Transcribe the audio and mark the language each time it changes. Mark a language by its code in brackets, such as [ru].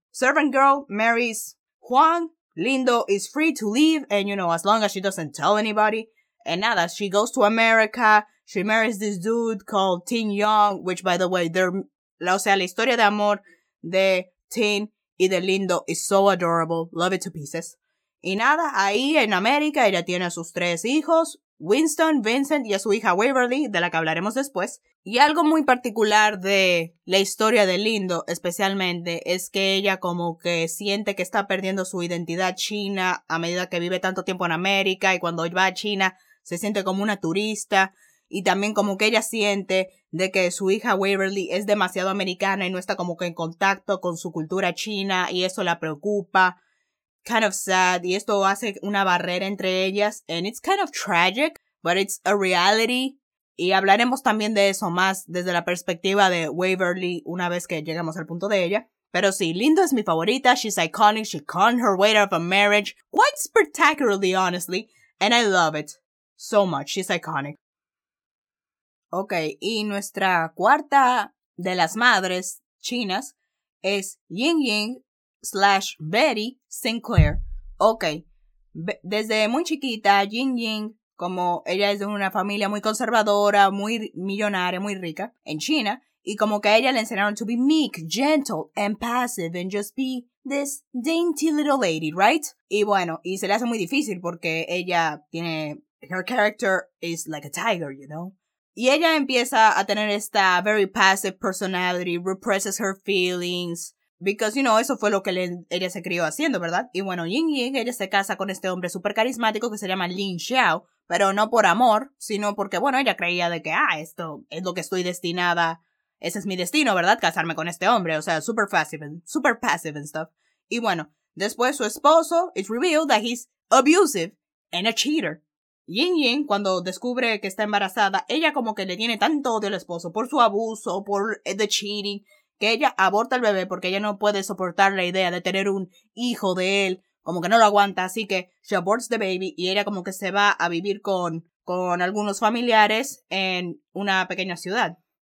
[en] Servant girl marries Juan. Lindo is free to leave, and you know, as long as she doesn't tell anybody. And nada, she goes to America, she marries this dude called Tin Young, which, by the way, [es] la historia de amor de Tin y de Lindo [en] is so adorable. Love it to pieces. [es] Y nada, ahí en América ella tiene a sus tres hijos, Winston, Vincent y a su hija Waverly, de la que hablaremos después. Y algo muy particular de la historia de Lindo, especialmente, es que ella como que siente que está perdiendo su identidad china a medida que vive tanto tiempo en América, y cuando va a China se siente como una turista, y también como que ella siente de que su hija Waverly es demasiado americana y no está como que en contacto con su cultura china, y eso la preocupa. [en] Kind of sad, [es] y esto hace una barrera entre ellas, [en] and it's kind of tragic, but it's a reality. [es] Y hablaremos también de eso más desde la perspectiva de Waverly una vez que llegamos al punto de ella. Pero sí, Lindo es mi favorita, [en] she's iconic, she conned her way out of a marriage, quite spectacularly, honestly, and I love it so much, she's iconic. [es] Ok, y nuestra cuarta de las madres chinas es Ying Ying / Betty Sinclair. Ok, desde muy chiquita, Ying Ying, como ella es de una familia muy conservadora, muy millonaria, muy rica, en China, y como que a ella le enseñaron [en] to be meek, gentle, and passive, and just be this dainty little lady, [es] right? Y bueno, y se le hace muy difícil porque ella tiene, [en] her character is like a tiger, you know? [es] Y ella empieza a tener esta [en] very passive personality, represses her feelings, because, you know, [es] eso fue lo que ella se crió haciendo, ¿verdad? Y bueno, Ying Ying, ella se casa con este hombre súper carismático que se llama Lin Xiao, pero no por amor, sino porque, bueno, ella creía de que, ah, esto es lo que estoy destinada, ese es mi destino, ¿verdad? Casarme con este hombre, o sea, [en] super passive and stuff. [es] Y bueno, después su esposo, [en] it's revealed that he's abusive and a cheater. [es] Ying Ying, cuando descubre que está embarazada, ella como que le tiene tanto odio al esposo por su abuso, por [en] the cheating, [es] que ella aborta el bebé porque ella no puede soportar la idea de tener un hijo de él, como que no lo aguanta, así que [en] she aborts the baby [es] y ella como que se va a vivir con algunos familiares en una pequeña ciudad.